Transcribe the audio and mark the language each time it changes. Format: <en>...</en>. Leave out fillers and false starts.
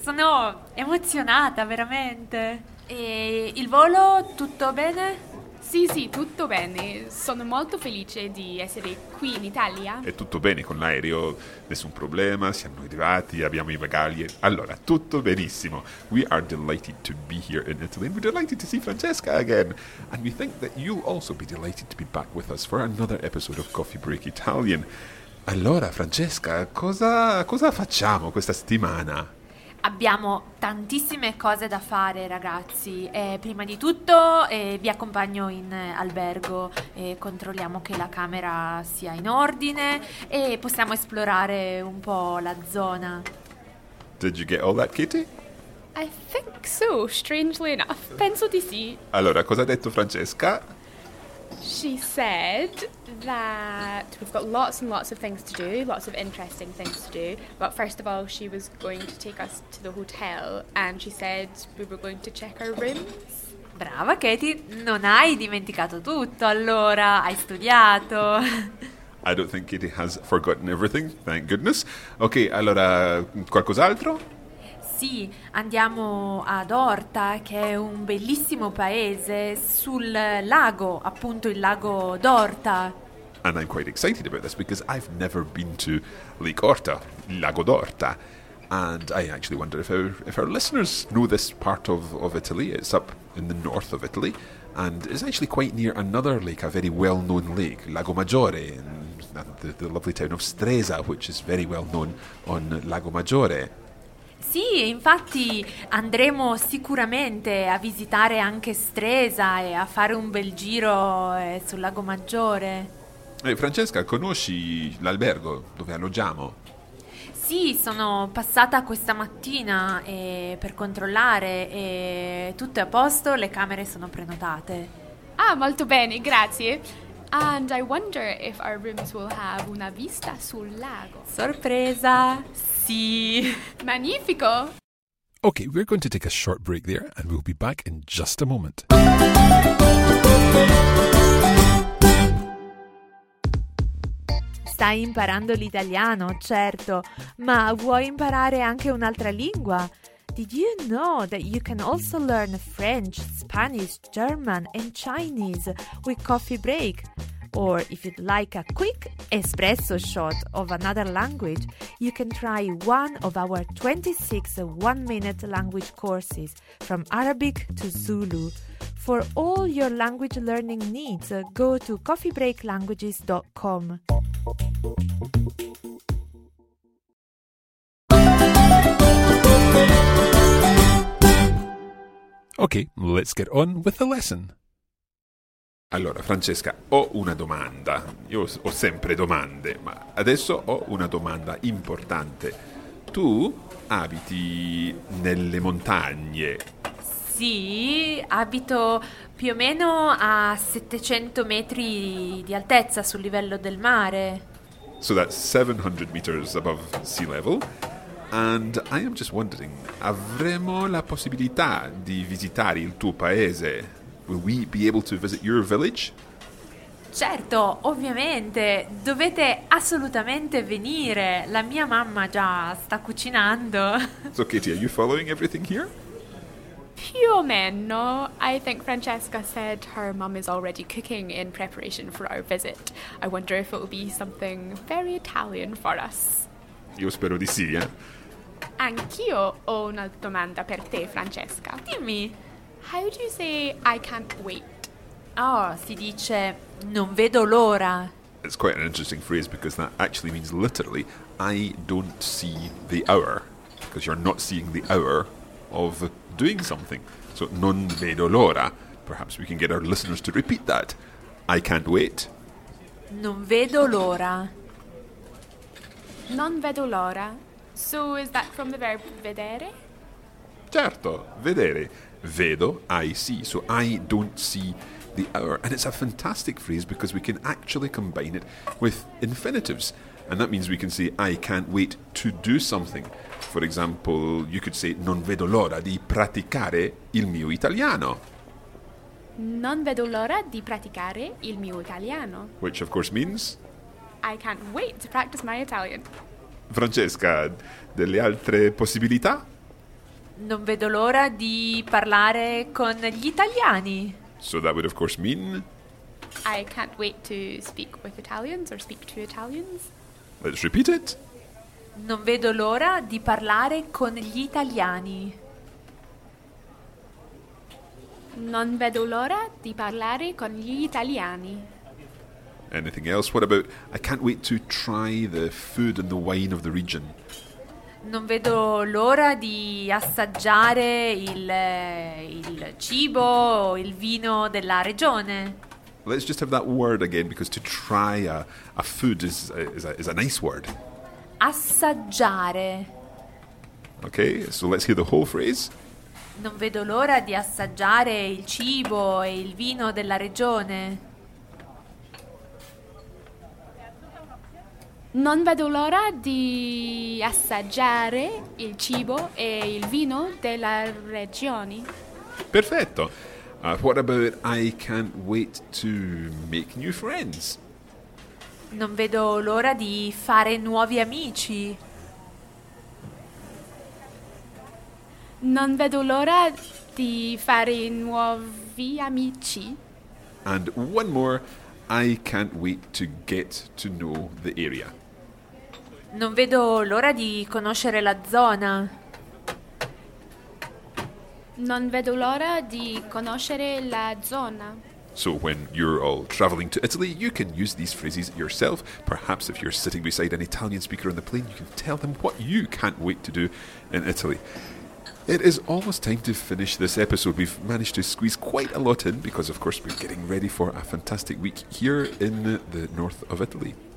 <it>Sono emozionata, veramente. E il volo, tutto bene? Sì, sì, tutto bene. Sono molto felice di essere qui in Italia. È tutto bene con l'aereo, nessun problema, siamo arrivati, abbiamo i bagagli. Allora, tutto benissimo.</it> <en>We are delighted to be here in Italy and we're delighted to see Francesca again. And we think that you'll also be delighted to be back with us for another episode of Coffee Break Italian.</en> <it>Allora, Francesca, cosa facciamo questa settimana? Abbiamo tantissime cose da fare, ragazzi. Prima di tutto vi accompagno in albergo e controlliamo che la camera sia in ordine e possiamo esplorare un po' la zona.</it> <en>Did you get all that, Kitty? I think so, strangely enough.</en> <it>Penso di sì. Allora, cosa ha detto Francesca?</it> <en>She said that we've got lots and lots of things to do, lots of interesting things to do. But first of all, she was going to take us to the hotel and she said we were going to check our rooms.</en> <it>Brava, Katie. Non hai dimenticato tutto, allora. Hai studiato.</it> <en>I don't think Katie has forgotten everything, thank goodness.</en> <it>Okay, allora, qualcos'altro? Sì, andiamo ad Horta, che è un bellissimo paese, sul lago, appunto il lago d'Horta.</it> <en>And I'm quite excited about this because I've never been to Lake Horta, Lago d'Horta. And I actually wonder if our listeners know this part of Italy. It's up in the north of Italy and is actually quite near another lake, a very well-known lake, Lago Maggiore, in the lovely town of Stresa, which is very well-known on Lago Maggiore.</en> <it>Sì, infatti andremo sicuramente a visitare anche Stresa e a fare un bel giro sul Lago Maggiore. Francesca, conosci l'albergo dove alloggiamo? Sì, sono passata questa mattina per controllare e tutto è a posto, le camere sono prenotate. Ah, molto bene, grazie.</it> <en>And I wonder if our rooms will have</en> <it>una vista sul lago. Sorpresa! Sì! Magnifico!</it> <en>Okay, we're going to take a short break there and we'll be back in just a moment.</en> <it>Stai imparando l'italiano, certo, ma vuoi imparare anche un'altra lingua?</it> <en>Did you know that you can also learn French, Spanish, German and Chinese with Coffee Break? Or if you'd like a quick espresso shot of another language, you can try one of our 26 one-minute language courses from Arabic to Zulu. For all your language learning needs, go to coffeebreaklanguages.com. Okay, let's get on with the lesson.</en> <it>Allora, Francesca, ho una domanda. Io ho sempre domande, ma adesso ho una domanda importante. Tu abiti nelle montagne? Sì, abito più o meno a 700 metri di altezza sul livello del mare.</it> <en>So that's 700 meters above sea level. And I am just wondering,</en> <it>avremo la possibilità di visitare il tuo paese?</it> <en>Will we be able to visit your village?</en> <it>Certo, ovviamente, dovete assolutamente venire. La mia mamma già sta cucinando.</it> <en>So Katie, are you following everything here?</en> <it>Più o meno.</it> <en>I think Francesca said her mum is already cooking in preparation for our visit. I wonder if it will be something very Italian for us.</en> <it>Io spero di sì, eh? Anch'io ho una domanda per te, Francesca. Dimmi.</it> <en>How do you say I can't wait?</en> <it>Oh, si dice non vedo l'ora.</it> <en>It's quite an interesting phrase because that actually means literally I don't see the hour. Because you're not seeing the hour of doing something. So</en> <it>non vedo l'ora.</it> <en>Perhaps we can get our listeners to repeat that. I can't wait.</en> <it>Non vedo l'ora. Non vedo l'ora.</it> <en>So is that from the verb vedere?</en> <it>Certo, vedere. Vedo,</it> <en>I see. So I don't see the hour. And it's a fantastic phrase because we can actually combine it with infinitives. And that means we can say, I can't wait to do something. For example, you could say,</en> <it>non vedo l'ora di praticare il mio italiano. Non vedo l'ora di praticare il mio italiano.</it> <en>Which of course means? I can't wait to practice my Italian.</en> <it>Francesca, delle altre possibilità? Non vedo l'ora di parlare con gli italiani.</it> <en>So that would of course mean? I can't wait to speak with Italians or speak to Italians. Let's repeat it.</en> <it>Non vedo l'ora di parlare con gli italiani. Non vedo l'ora di parlare con gli italiani.</it> <en>Anything else? What about, I can't wait to try the food and the wine of the region.</en> <it>Non vedo l'ora di assaggiare il cibo, il vino della regione.</it> <en>Let's just have that word again, because to try a food is a nice word.</en> <it>Assaggiare.</it> <en>Okay, so let's hear the whole phrase.</en> <it>Non vedo l'ora di assaggiare il cibo e il vino della regione. Non vedo l'ora di assaggiare il cibo e il vino della regione. Perfetto.</it> <en>What about I can't wait to make new friends?</en> <it>Non vedo l'ora di fare nuovi amici. Non vedo l'ora di fare nuovi amici.</it> <en>And one more, I can't wait to get to know the area.</en> <it>Non vedo l'ora di conoscere la zona. Non vedo l'ora di conoscere la zona.</it> <en>So when you're all traveling to Italy, you can use these phrases yourself. Perhaps if you're sitting beside an Italian speaker on the plane, you can tell them what you can't wait to do in Italy. It is almost time to finish this episode. We've managed to squeeze quite a lot in because, of course, we're getting ready for a fantastic week here in the north of Italy.</en>